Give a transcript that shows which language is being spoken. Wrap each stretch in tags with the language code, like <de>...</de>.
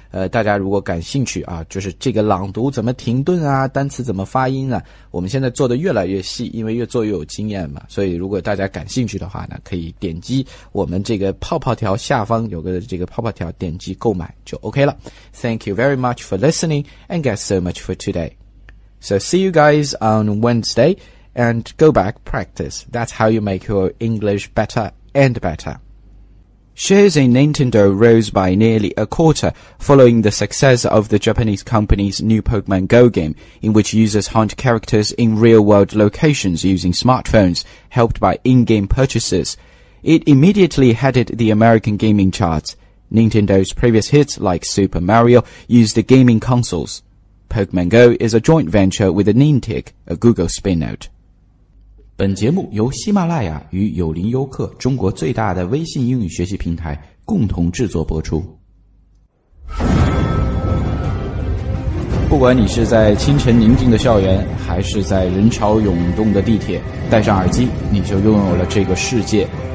<zh>大家如果感兴趣啊，就是这个朗读怎么停顿啊，单词怎么发音啊，我们现在做得越来越细，因为越做越有经验嘛，所以如果大家感兴趣的话呢，可以点击我们这个泡泡条下方有个这个泡泡条，点击购买就 OK 了。</zh> <en>Thank you very much for listening and get so much for today. So see you guys on Wednesday and go back practice. That's how you make your English better and better. Shares in Nintendo rose by nearly a quarter following the success of the Japanese company's new Pokemon Go game, in which users hunt characters in real-world locations using smartphones, helped by in-game purchases. It immediately headed the American gaming charts. Nintendo's previous hits, like Super Mario, used the gaming consoles. Pokemon Go is a joint venture with Niantic, a Google spin-out.</en> <zh>本节目由喜马拉雅与有林优客中国最大的微信英语学习平台共同制作播出。不管你是在清晨宁静的校园，还是在人潮涌动的地铁，戴上耳机，你就拥有了这个世界。</zh>